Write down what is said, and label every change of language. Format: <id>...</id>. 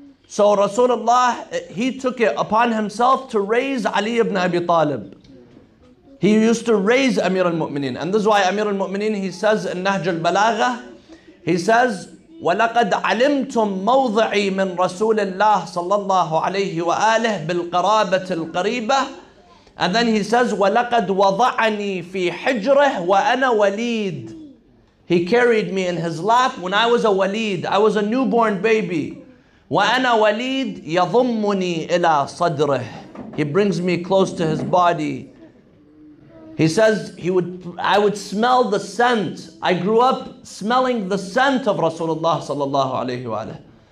<en>So Rasulullah, he took it upon himself to raise Ali ibn Abi Talib. He used to raise Amir al-Mu'mineen. And this is why Amir al-Mu'mineen, he says in Nahj al-Balagha, he says,</en> <ar>وَلَقَدْ عَلِمْتُمْ مَوْضَعِي مِنْ رَسُولِ اللَّهِ صَلَّى اللَّهُ عَلَيْهِ وَآلِهِ بِالْقَرَابَةِ الْقَرِيبَةِ.</ar> <en>And then he says,</en> <ar>وَلَقَدْ وَضَعَنِي فِي حِجْرِهِ وَأَنَا وَلِيدٍ.</ar> <en>He carried me in his lap when I was a waleed. I was a newborn baby.</en> <ar>وَأَنَا وَلِيدٍ يَضُمُّنِي إِلَى صَدْرِهِ.</ar> <en>He brings me close to his body. He says, I would smell the scent. I grew up smelling the scent of Rasulullah sallallahu alayhi wa alayhi.</en>